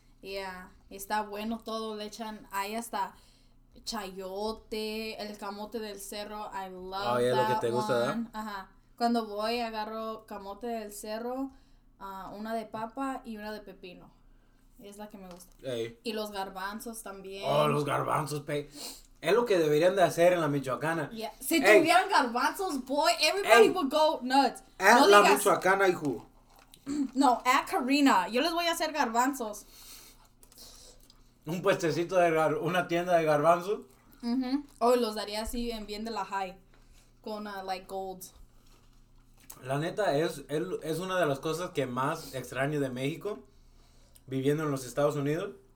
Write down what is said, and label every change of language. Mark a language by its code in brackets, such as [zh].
[es] Yeah, está bueno todo, le echan, hay hasta chayote, el camote del cerro, I love that one. Es lo que te gusta, ¿verdad? Ajá. Cuando voy, agarro camote del cerro, una de papa y una de pepino. Es la que me gusta. [en] Hey. [es] Y los garbanzos también. Oh, los garbanzos, pe. Es lo que deberían de hacer en la Michoacana. [en] Yeah. Si tuvieran garbanzos, boy, everybody would go nuts. [es] En no la digas. Michoacana, hijo. No, a Karina. Yo les voy a hacer garbanzos. Un puestecito de una tienda de garbanzos. Uh-huh. Oh, los daría así en bien de la high. [en] Con, like, gold. [es] La neta, es una de las cosas que más extraño de México, viviendo en los Estados Unidos.